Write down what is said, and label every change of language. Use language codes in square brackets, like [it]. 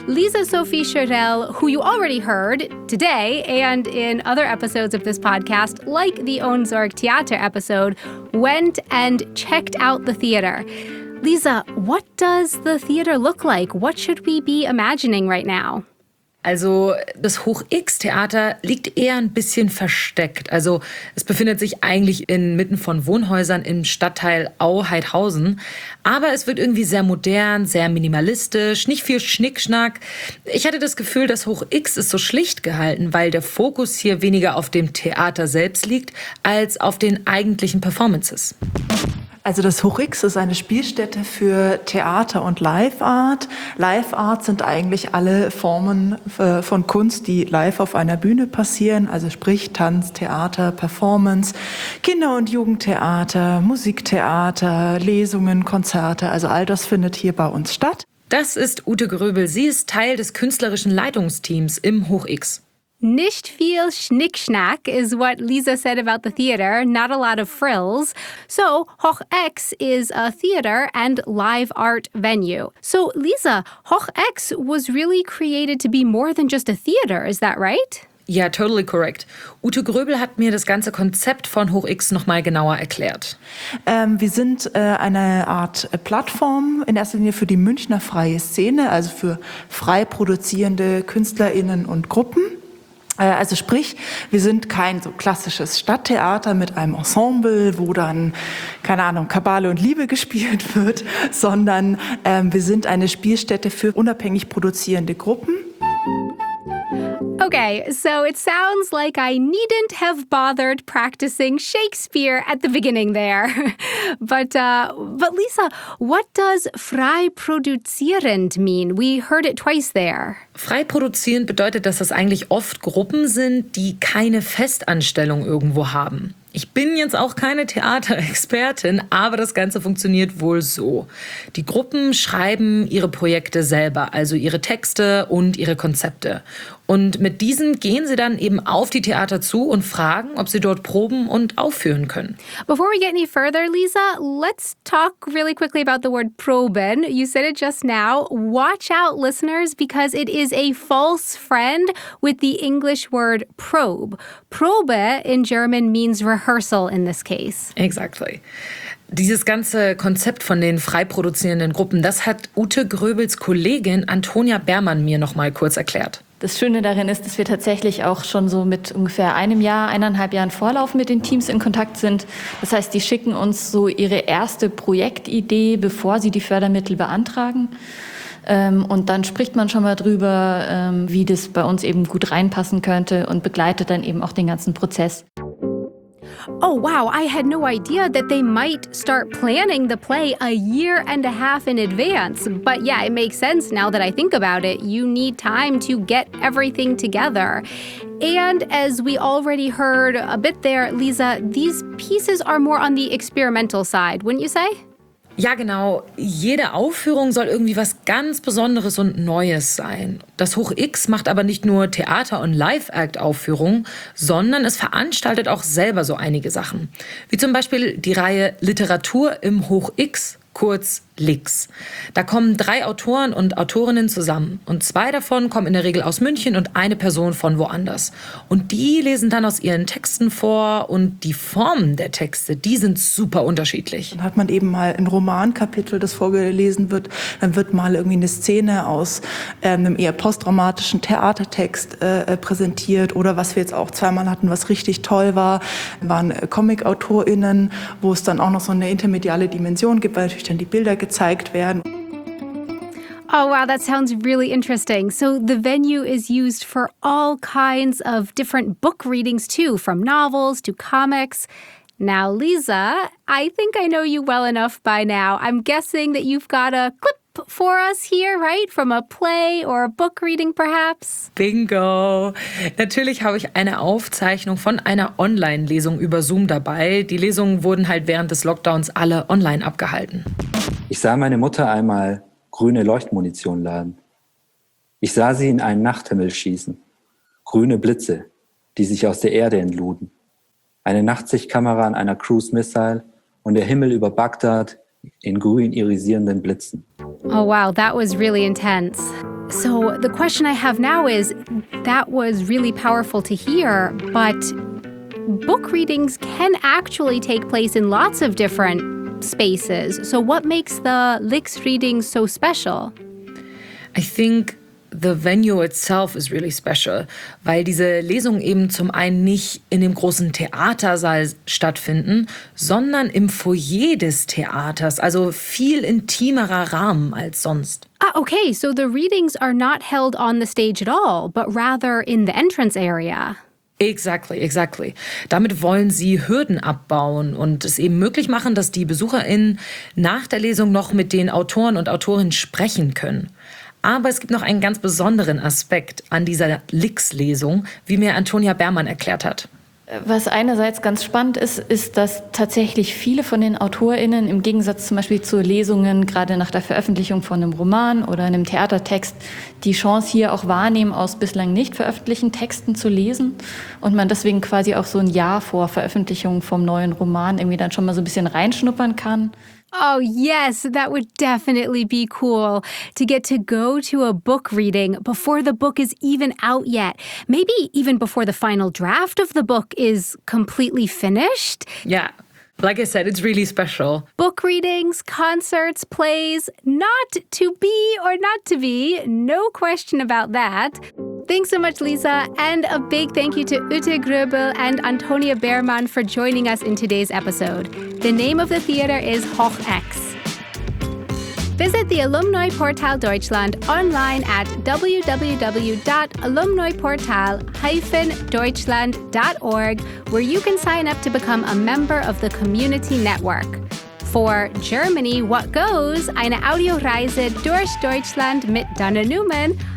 [en] Lisa Sophie Schirrell, who you already heard today and in other episodes of this podcast, like the Ohnsorg Theater episode, went and checked out the theater. Lisa, what does the theater look like? What should we be imagining right now? [de] Also, das Hoch-X-Theater liegt eher ein bisschen versteckt. Also, es befindet sich eigentlich inmitten von Wohnhäusern im Stadtteil Au-Haidhausen. Aber es wird irgendwie sehr modern, sehr minimalistisch, nicht viel Schnickschnack. Ich hatte das Gefühl, das Hoch-X ist so schlicht gehalten, weil der Fokus hier weniger auf dem Theater selbst liegt, als auf den eigentlichen Performances. Also das Hoch-X ist eine Spielstätte für Theater und Live Art. Live Art sind eigentlich alle Formen von Kunst, die live auf einer Bühne passieren. Also sprich Tanz, Theater, Performance, Kinder- und Jugendtheater, Musiktheater, Lesungen, Konzerte. Also all das findet hier bei uns statt. Das ist Ute Gröbel. Sie ist Teil des künstlerischen Leitungsteams im Hoch-X. Nicht viel Schnickschnack [en] is what Lisa said about the theater, not a lot of frills. So Hochex is a theater and live art venue. So Lisa, Hochex was really created to be more than just a theater, is that right? Yeah, totally correct. [de] Ute Gröbel hat mir das ganze Konzept von Hoch-X noch mal genauer erklärt. Wir sind eine Art Plattform, in erster Linie für die Münchner freie Szene, also für frei produzierende KünstlerInnen und Gruppen. Also sprich, wir sind kein so klassisches Stadttheater mit einem Ensemble, wo dann, keine Ahnung, Kabale und Liebe gespielt wird, sondern wir sind eine Spielstätte für unabhängig produzierende Gruppen. [en] Okay, so it sounds like I needn't have bothered practicing Shakespeare at the beginning there. But Lisa, what does frei produzierend mean? We heard it twice there. [de] Frei produzierend bedeutet, dass das eigentlich oft Gruppen sind, die keine Festanstellung irgendwo haben. Ich bin jetzt auch keine Theaterexpertin, aber das Ganze funktioniert wohl so. Die Gruppen schreiben ihre Projekte selber, also ihre Texte und ihre Konzepte. Und mit diesen gehen sie dann eben auf die Theater zu und fragen, ob sie dort proben und aufführen können. [en] Before we get any further, Lisa, let's talk really quickly about the word proben. You said it just now. Watch out, listeners, because it is a false friend with the English word probe. Probe in German means rehearsal in this case. Exactly. [de] Dieses ganze Konzept von den frei produzierenden Gruppen, das hat Ute Gröbels Kollegin Antonia Bermann mir noch mal kurz erklärt. Das Schöne darin ist, dass wir tatsächlich auch schon so mit ungefähr einem Jahr, eineinhalb Jahren Vorlauf mit den Teams in Kontakt sind. Das heißt, die schicken uns so ihre erste Projektidee, bevor sie die Fördermittel beantragen. Und dann spricht man schon mal drüber, wie das bei uns eben gut reinpassen könnte und begleitet dann eben auch den ganzen Prozess. [en] Oh, wow, I had no idea that they might start planning the play a year and a half in advance. But yeah, it makes sense now that I think about it. You need time to get everything together. And as we already heard a bit there, Lisa, these pieces are more on the experimental side, wouldn't you say? [de] Ja, genau. Jede Aufführung soll irgendwie was ganz Besonderes und Neues sein. Das Hoch X macht aber nicht nur Theater- und Live-Act-Aufführungen, sondern es veranstaltet auch selber so einige Sachen. Wie zum Beispiel die Reihe Literatur im Hoch X, kurz LIX. Da kommen drei Autoren und Autorinnen zusammen. Und zwei davon kommen in der Regel aus München und eine Person von woanders. Und die lesen dann aus ihren Texten vor und die Formen der Texte, die sind super unterschiedlich. Dann hat man eben mal ein Romankapitel, das vorgelesen wird. Dann wird mal irgendwie eine Szene aus einem eher postdramatischen Theatertext präsentiert. Oder was wir jetzt auch zweimal hatten, was richtig toll war, waren Comic-AutorInnen, wo es dann auch noch so eine intermediale Dimension gibt, weil natürlich dann die Bilder gezeigt werden. [en] Oh, wow, that sounds really interesting. So the venue is used for all kinds of different book readings too, from novels to comics. Now, Lisa, I think I know you well enough by now. I'm guessing that you've got a clip for us here, right? From a play or a book reading perhaps? Bingo! [de] Natürlich habe ich eine Aufzeichnung von einer Online-Lesung über Zoom dabei. Die Lesungen wurden halt während des Lockdowns alle online abgehalten. Ich sah meine Mutter einmal grüne Leuchtmunition laden. Ich sah sie in einen Nachthimmel schießen. Grüne Blitze, die sich aus der Erde entluden. Eine Nachtsichtkamera an einer Cruise Missile und der Himmel über Bagdad in grün irisierenden Blitzen. [en] Oh wow, that was really intense. So the question I have now is, that was really powerful to hear, but book readings can actually take place in lots of different spaces. So what makes the LIX reading so special? I think the venue itself is really special, [de] weil diese Lesungen eben zum einen nicht in dem großen Theatersaal stattfinden, sondern im Foyer des Theaters, also viel intimerer Rahmen als sonst. [en] Ah, okay, so the readings are not held on the stage at all, but rather in the entrance area. Exactly, exactly. [de] Damit wollen sie Hürden abbauen und es eben möglich machen, dass die BesucherInnen nach der Lesung noch mit den Autoren und Autorinnen sprechen können. Aber es gibt noch einen ganz besonderen Aspekt an dieser LIX-Lesung, wie mir Antonia Bermann erklärt hat. Was einerseits ganz spannend ist, ist, dass tatsächlich viele von den AutorInnen im Gegensatz zum Beispiel zu Lesungen gerade nach der Veröffentlichung von einem Roman oder einem Theatertext die Chance hier auch wahrnehmen, aus bislang nicht veröffentlichten Texten zu lesen und man deswegen quasi auch so ein Jahr vor Veröffentlichung vom neuen Roman irgendwie dann schon mal so ein bisschen reinschnuppern kann. [en] Oh yes, that would definitely be cool to get to go to a book reading before the book is even out yet. Maybe even before the final draft of the book is completely finished. Yeah, like I said, it's really special. Book readings, concerts, plays, not to be or not to be, no question about that. Thanks so much, Lisa, and a big thank you to Ute Gröbel and Antonia Bermann for joining us in today's episode. The name of the theater is Hoch X. Visit the Alumni Portal Deutschland online at www.alumniportal-deutschland.org, where you can sign up to become a member of the community network. For Germany, what goes? [de] Eine Audioreise durch Deutschland mit Dana Newman.